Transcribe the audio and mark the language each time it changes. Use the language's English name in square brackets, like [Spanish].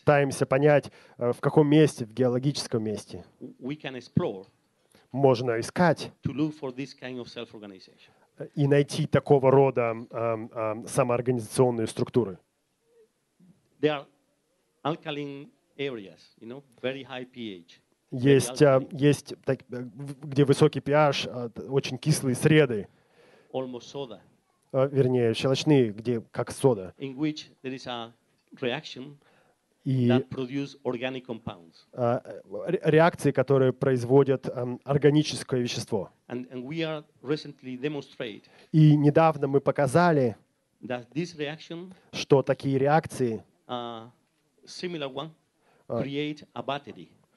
[Russian] пытаемся понять, в каком месте, в геологическом месте. [English] We can explore. [Russian] Можно искать. [English] To look for this kind of self-organization. [Russian] И найти такого рода самоорганизационные структуры. [English] There are alkaline areas, you know, very high pH. [Russian] есть, так, где высокий pH, очень кислые среды. [English] Almost soda. [Russian] Вернее, щелочные, где как сода. [English] In which there is a reaction that produces organic compounds. [Russian] Реакции, которые производят органическое вещество. [English] And we are recently demonstrated. [Russian] И недавно мы показали, [English] that this reaction, [Russian] что такие реакции [English] similar one, create a battery.